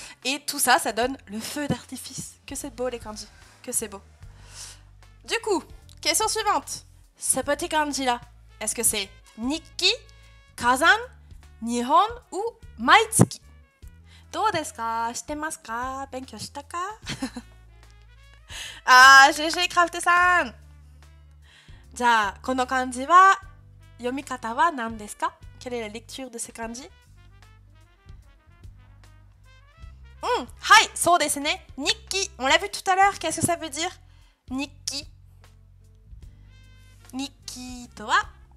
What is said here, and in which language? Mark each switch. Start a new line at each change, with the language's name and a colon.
French: Et tout ça donne le feu d'artifice. Que c'est beau, les kanji. Que c'est beau. Du coup, question suivante. Ce petit kanji-là, est-ce que c'est Nikki, Kazan, Nihon ou Maitsuki?
Japanese: Do desu ka? Shitemasu ka? Benkyou shita ka? ああ、GG クラフトさん。じゃあ、この漢字は読み方は何ですか?
French: Quelle est la lecture de ce 漢字?
Japanese: うん、はい、そうですね。日記。
French: On l'a vu tout à l'heure. Qu'est-ce que ça veut dire?
Japanese: 日記。日記とは。